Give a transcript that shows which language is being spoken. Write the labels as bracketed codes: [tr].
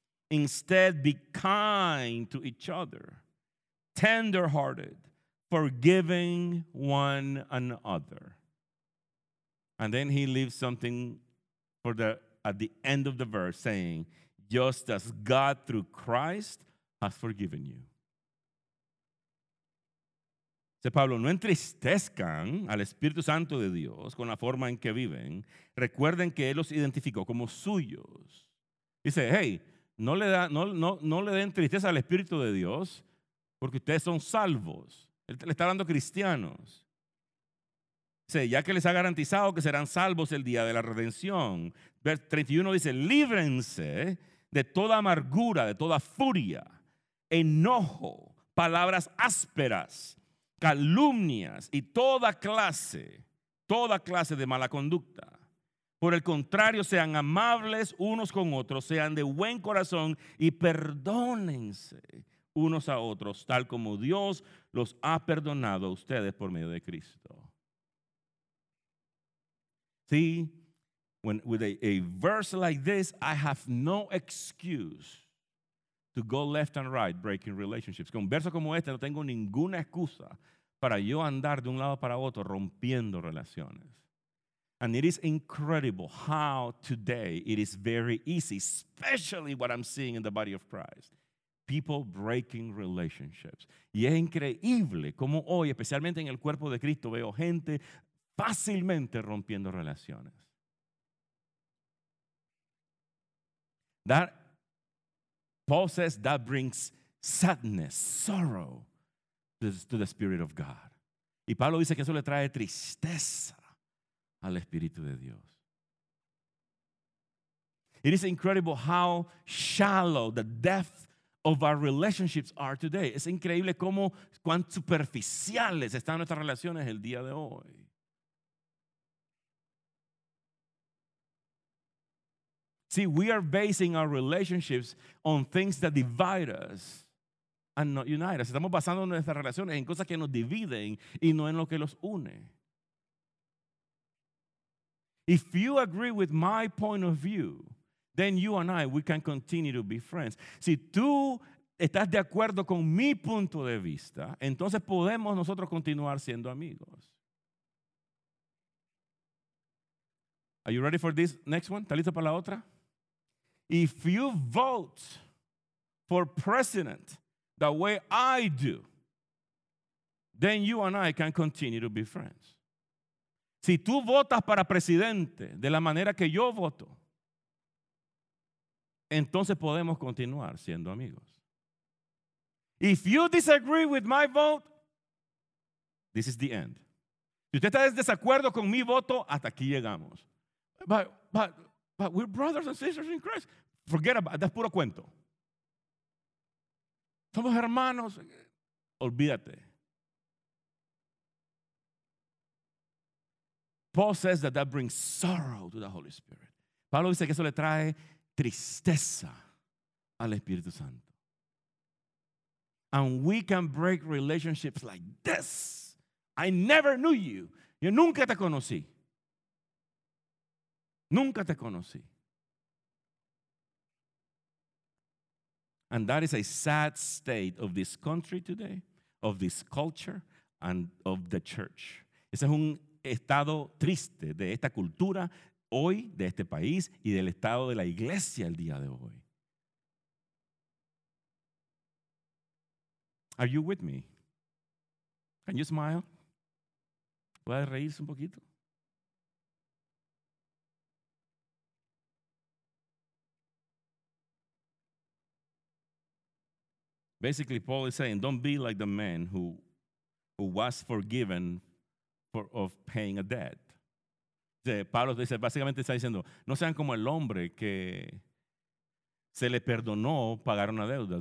[en] Instead, be kind to each other, tender-hearted, forgiving one another. And then he leaves something for the at the end of the verse, saying, just as God through Christ has forgiven you. [es] Dice Pablo, no entristezcan al Espíritu Santo de Dios con la forma en que viven. Recuerden que Él los identificó como suyos. Dice, hey, no le den tristeza al Espíritu de Dios porque ustedes son salvos. Él le está hablando a cristianos. Dice, ya que les ha garantizado que serán salvos el día de la redención. Verso 31 dice, líbrense de toda amargura, de toda furia, enojo, palabras ásperas, calumnias y toda clase de mala conducta. Por el contrario, sean amables unos con otros, sean de buen corazón y perdónense unos a otros, tal como Dios los ha perdonado a ustedes por medio de Cristo. [en] See, when with a verse like this, I have no excuse to go left and right breaking relationships. [es] Con un verso como este, no tengo ninguna excusa para yo andar de un lado para otro rompiendo relaciones. [en] And it is incredible how today it is very easy, especially what I'm seeing in the body of Christ, people breaking relationships. [es] Y es increíble cómo hoy, especialmente en el cuerpo de Cristo, veo gente fácilmente rompiendo relaciones. [en] That, Paul says, that brings sadness, sorrow, to the Spirit of God. [es] Y Pablo dice que eso le trae tristeza al Espíritu de Dios. [en] It is incredible how shallow the depth of our relationships are today. [es] Es increíble cómo, cuán superficiales están nuestras relaciones el día de hoy. [en] See, we are basing our relationships on things that divide us and not unite us. [es] Estamos basando nuestras relaciones en cosas que nos dividen y no en lo que los une. [en] If you agree with my point of view, then you and I, we can continue to be friends. [es] Si tú estás de acuerdo con mi punto de vista, entonces podemos nosotros continuar siendo amigos. [en] Are you ready for this next one? [es] ¿Estás listo para la otra? [en] If you vote for president the way I do, then you and I can continue to be friends. [es] Si tú votas para presidente de la manera que yo voto, entonces podemos continuar siendo amigos. [en] If you disagree with my vote, this is the end. [es] Si usted está en desacuerdo con mi voto, hasta aquí llegamos. [en] But we're brothers and sisters in Christ. Forget about that, [es] puro cuento. Somos hermanos. Olvídate. [en] Paul says that that brings sorrow to the Holy Spirit. [es] Pablo dice que eso le trae tristeza al Espíritu Santo. [en] And we can break relationships like this. I never knew you. [es] Yo nunca te conocí. Nunca te conocí. [en] And that is a sad state of this country today, of this culture, and of the church. [es] Ese es un estado triste de esta cultura hoy, de este país, y del estado de la iglesia el día de hoy. [en] Are you with me? Can you smile? [es] ¿Puedes reírse un poquito? [en] Basically, Paul is saying, don't be like the man who was forgiven of paying a debt. [es] Pablo dice, básicamente está diciendo, no sean como el hombre que se le perdonó pagar una deuda.